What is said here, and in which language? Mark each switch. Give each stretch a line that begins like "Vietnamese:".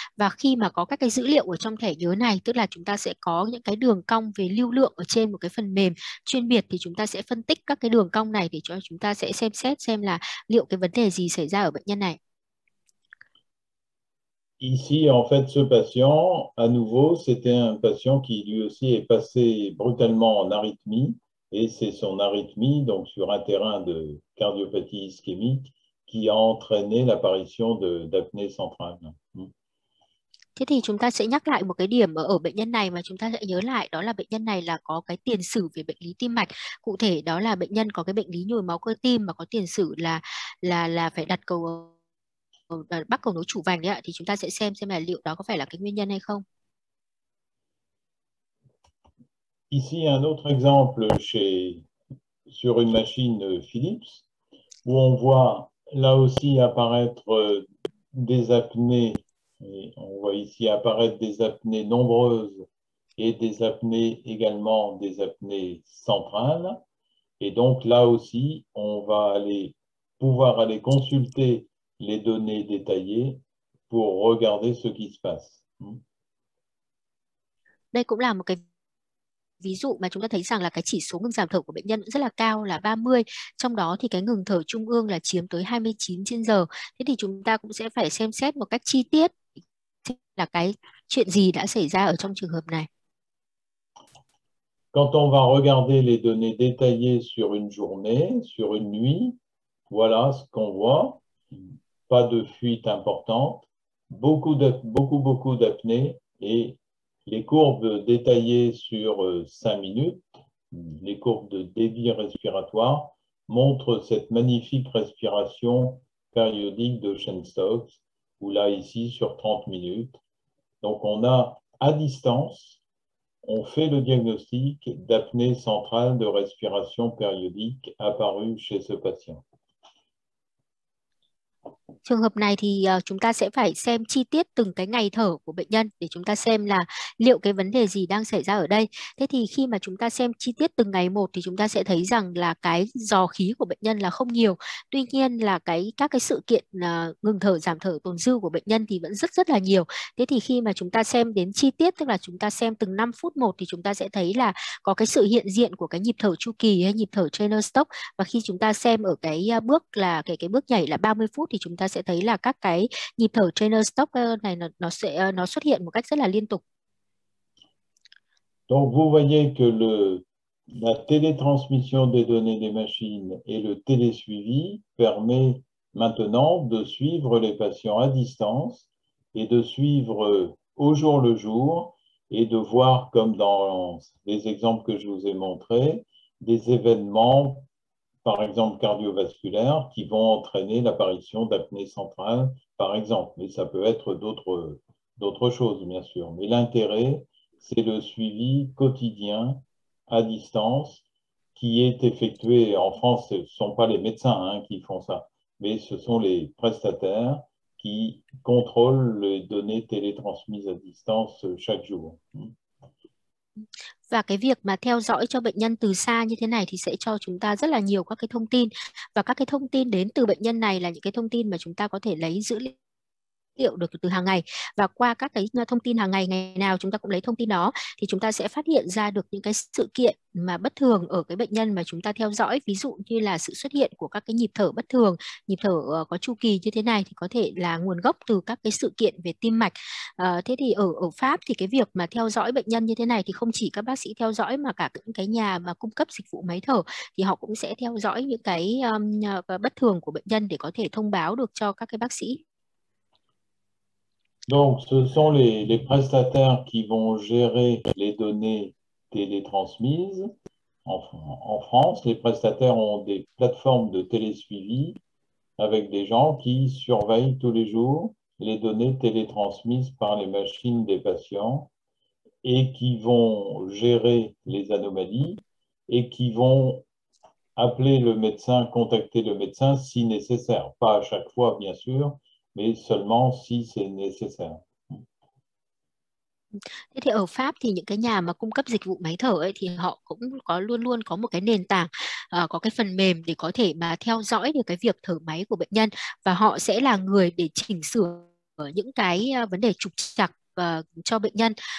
Vietnamese: Và khi mà có các cái dữ liệu ở trong thẻ nhớ này, tức là chúng ta sẽ có những cái đường cong về lưu lượng ở trên một cái phần mềm chuyên biệt, thì chúng ta sẽ phân tích các cái đường cong này để cho chúng ta sẽ xem xét xem là liệu cái vấn đề gì xảy ra ở bệnh nhân này.
French: Ici, en fait, ce patient, à nouveau, c'était un patient qui lui aussi est passé brutalement en arythmie, et c'est son arythmie, donc sur un terrain de cardiopathie ischémique, qui a entraîné l'apparition d'apnée centrale.
Vietnamese: Thế thì chúng ta sẽ nhắc lại một cái điểm ở bệnh nhân này mà chúng ta sẽ nhớ lại, đó là bệnh nhân này là có cái tiền sử về bệnh lý tim mạch. Cụ thể đó là bệnh nhân có cái bệnh lý nhồi máu cơ tim mà có tiền sử là phải đặt cầu bắc cầu nối chủ vành đấy ạ, thì chúng ta sẽ xem là liệu đó có phải là cái nguyên nhân hay không.
French: Ici, un autre exemple sur une machine Philips, où on voit là aussi apparaître des apnées, et on voit ici apparaître des apnées nombreuses et des apnées également des apnées centrales. Et donc là aussi, on va pouvoir aller consulter les données détaillées pour regarder ce qui se passe.
Vietnamese: Đây cũng là một cái ví dụ mà chúng ta thấy rằng là cái chỉ số ngừng giảm thở của bệnh nhân cũng rất là cao, là 30, trong đó thì cái ngừng thở trung ương là chiếm tới 29 trên giờ. Thế thì chúng ta cũng sẽ phải xem xét một cách chi tiết là cái chuyện gì đã xảy ra ở trong trường hợp này.
French: Quand on va regarder les données détaillées sur une journée, sur une nuit, voilà ce qu'on voit. Pas de fuite importante, beaucoup d'apnée et les courbes détaillées sur 5 minutes, les courbes de débit respiratoire montrent cette magnifique respiration périodique de Shenstock, ou là ici sur 30 minutes. Donc on a à distance. On fait le diagnostic d'apnée centrale de respiration périodique apparue chez ce patient.
Vietnamese: Trường hợp này thì chúng ta sẽ phải xem chi tiết từng cái ngày thở của bệnh nhân để chúng ta xem là liệu cái vấn đề gì đang xảy ra ở đây. Thế thì khi mà chúng ta xem chi tiết từng ngày một thì chúng ta sẽ thấy rằng là cái dò khí của bệnh nhân là không nhiều. Tuy nhiên là các cái sự kiện ngừng thở, giảm thở, tồn dư của bệnh nhân thì vẫn rất rất là nhiều. Thế thì khi mà chúng ta xem đến chi tiết, tức là chúng ta xem từng 5 phút một, thì chúng ta sẽ thấy là có cái sự hiện diện của cái nhịp thở chu kỳ hay nhịp thở Trainer Stock. Và khi chúng ta xem ở cái bước nhảy là 30 phút thì chúng chúng ta sẽ thấy là các cái nhịp thở trainer stock này nó xuất hiện một cách rất là liên tục.
French: Donc vous voyez que la télétransmission des données des machines et le télésuivi permet maintenant de suivre les patients à distance et de suivre au jour le jour et de voir, comme dans les exemples que je vous ai montrés, des événements, par exemple cardiovasculaires, qui vont entraîner l'apparition d'apnée centrale, par exemple. Mais ça peut être d'autres choses, bien sûr. Mais l'intérêt, c'est le suivi quotidien à distance qui est effectué. En France, ce ne sont pas les médecins hein, qui font ça, mais ce sont les prestataires qui contrôlent les données télétransmises à distance chaque jour.
Vietnamese: Và cái việc mà theo dõi cho bệnh nhân từ xa như thế này thì sẽ cho chúng ta rất là nhiều các cái thông tin. Và các cái thông tin đến từ bệnh nhân này là những cái thông tin mà chúng ta có thể lấy dữ liệu được từ hàng ngày, và qua các cái thông tin hàng ngày, ngày nào chúng ta cũng lấy thông tin đó, thì chúng ta sẽ phát hiện ra được những cái sự kiện mà bất thường ở cái bệnh nhân mà chúng ta theo dõi, ví dụ như là sự xuất hiện của các cái nhịp thở bất thường, nhịp thở có chu kỳ như thế này thì có thể là nguồn gốc từ các cái sự kiện về tim mạch. Thế thì ở Pháp thì cái việc mà theo dõi bệnh nhân như thế này thì không chỉ các bác sĩ theo dõi mà cả những cái nhà mà cung cấp dịch vụ máy thở thì họ cũng sẽ theo dõi những cái bất thường của bệnh nhân để có thể thông báo được cho các cái bác sĩ.
French: Donc, ce sont les prestataires qui vont gérer les données télétransmises. En France, les prestataires ont des plateformes de télésuivi avec des gens qui surveillent tous les jours les données télétransmises par les machines des patients et qui vont gérer les anomalies et qui vont appeler le médecin, contacter le médecin si nécessaire. Pas à chaque fois, bien sûr, mais seulement si c'est nécessaire.
Vietnamese: Thế thì ở Pháp thì những cái nhà mà cung cấp dịch vụ máy thở ấy thì họ cũng có luôn luôn có một cái nền tảng, có cái phần mềm để có thể mà theo dõi được cái việc thở máy của bệnh nhân, và họ sẽ là người để chỉnh sửa những cái vấn đề trục trặc cho bệnh nhân.